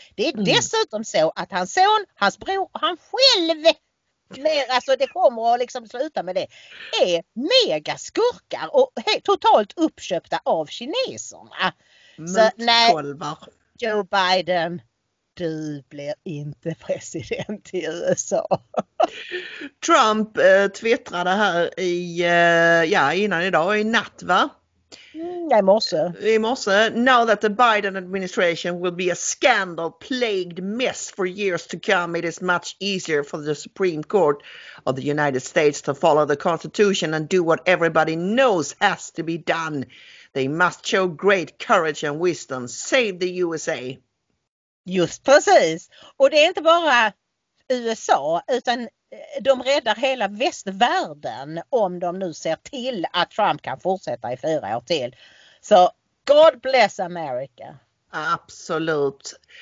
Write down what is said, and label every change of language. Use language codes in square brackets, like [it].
[sv] Det är dessutom så att hans son, hans bror och han själv, mer alltså det kommer att liksom sluta med det, är megaskurkar och totalt uppköpta av kineserna. Mutkolvar. Joe Biden, du blir inte president i USA. Trump twittrade här i natt. Nej, morse. I morse. [en] Now that the Biden administration will be a scandal plagued mess for years to come, it is much easier for the Supreme Court of the United States to follow the Constitution and do what everybody knows has to be done. They must show great courage and wisdom. Save the USA. [sv] Just precis. Och det är inte bara USA, utan de räddar hela västvärlden om de nu ser till att Trump kan fortsätta i 4 år till. Så [en] God bless America. [sv] Absolut.